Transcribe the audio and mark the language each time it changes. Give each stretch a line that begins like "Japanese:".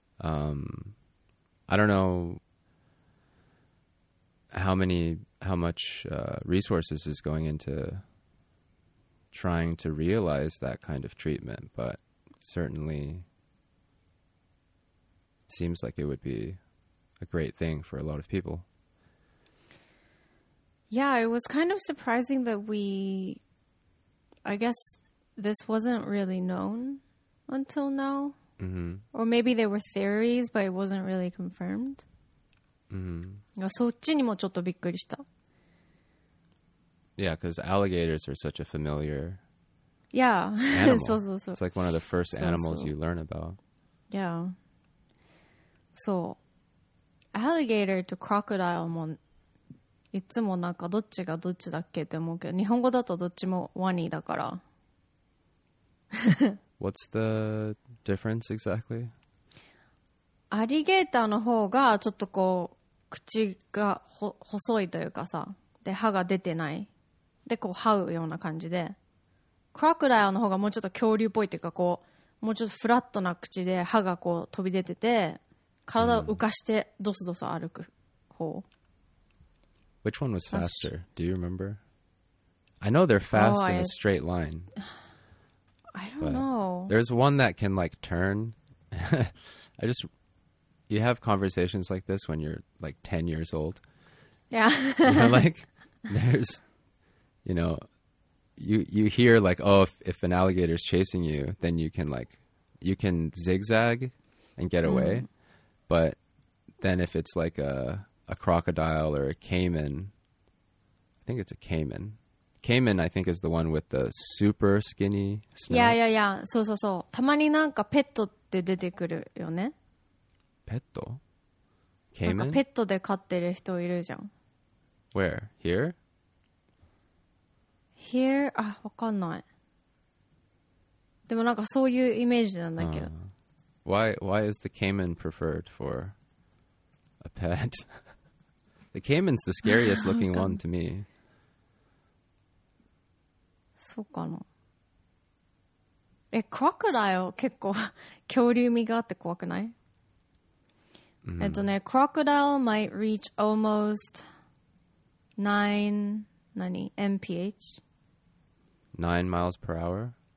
English: I don't know how much resources is going intotrying to realize that kind of treatment, but certainly seems like it would be a great thing for a lot of people. Yeah, it was kind of surprising that I guess this wasn't really known until now. Mm-hmm. Or maybe there were theories, but it wasn't really confirmed. Mm-hmm.
Japanese: そっちにもちょっとびっくりした。
English: Yeah, because alligators are such a familiar yeah. animal.
Japanese: そうそうそう。
English: It's like one of the first animals
Japanese: そうそう。
English: you learn about.
Japanese: Yeah. So, alligator と crocodile もいつもなんかどっちがどっちだっけって思うけど、日本語だとどっちもワニだから。
English: What's the difference exactly?
Japanese: アリゲーターの方がちょっとこう、口がほ細いというかさ、で歯が出てない。でこう這うような感じで、クロコダイルの方がもうちょっと恐竜っぽいっていうか、こうもうちょっとフラットな口で歯がこう飛び出てて、体を浮かしてドスドス歩く方。
English: Which one was faster? Do you remember? I know they're fast in a straight line. I don't I don't know. There's one that can like turn. You have conversations like this when you're like 10 years old. Yeah. You're like, there's, you know, you hear like, oh, if an alligator's chasing you, then you can like, you can zigzag and get away. But then if it's like a crocodile or a caiman, I think it's a caiman. Caiman, I think, is the one with the super skinny snout. Yeah. So.
Japanese: たまになんかペットって出てくるよね。ペット？ケイマン？ペットで飼ってる人いるじゃん。
English: Where? Here?
Japanese: Here? あ、わかんない。でもなんかそういうイメージなんだけど。
English: Why is the Cayman preferred for a pet? The Cayman's the scariest looking one to me.
Japanese: そうかな。え、クワクダイオ結構恐竜味があって怖くない？
English: Crocodile might reach almost 9 mph. 9 miles per hour?